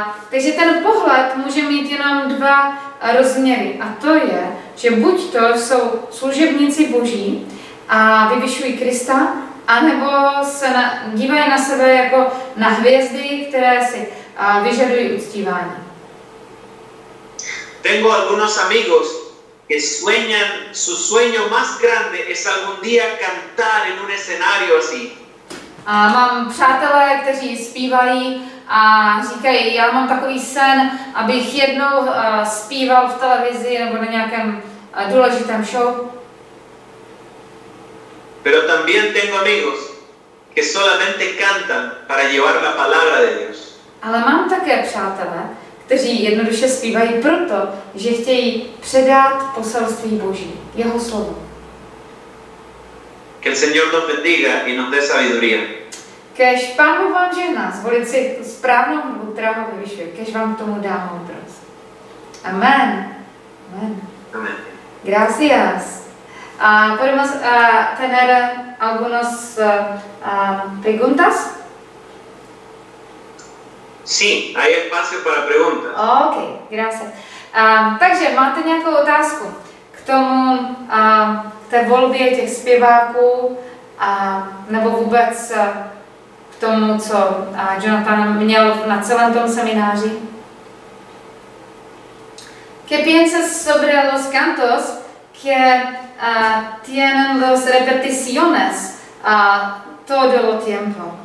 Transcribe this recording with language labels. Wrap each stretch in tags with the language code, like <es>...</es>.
<cs>Takže ten pohled může mít jenom dva rozměry. A to je, že buď to jsou služebníci Boží a vyvyšují Krista, anebo se dívají na sebe jako na hvězdy, které si vyžadují uctívání.</cs> <es>Tengo algunos amigos que sueñan, su sueño más grande es algún día cantar en un escenario así.</es> <cs>A mám přátelé, kteří zpívají a říkají, já mám takový sen, abych jednou zpíval v televizi nebo na nějakém důležitém show.</cs> <es>Pero también tengo amigos que solamente cantan para llevar la palabra de Dios.</es> <cs>Ale mám také přátelé, kteří jednoduše zpívají proto, že chtějí předat poselství Boží, jeho slovo.</cs> <es>Que el Señor nos bendiga y nos dé sabiduría.</es> <cs>Kéž Pán Bůh vám žehná, zvolit si správnou hudbu, která ho vyvyšuje. Kéž vám k tomu dá moudrost. Amen. Amen. Amen.</cs> <es>Gracias. Podemos tener algunas preguntas? Sí, hay espacio para preguntas. Ok, gracias.</es> <cs>Takže máte nějakou otázku k tomu, k té volbě těch zpěváků, nebo vůbec k tomu, co Jonathan měl na celém tom semináři?</cs> <es>¿Qué piensas sobre los cantos que tienen las repeticiones todo el tiempo?</es>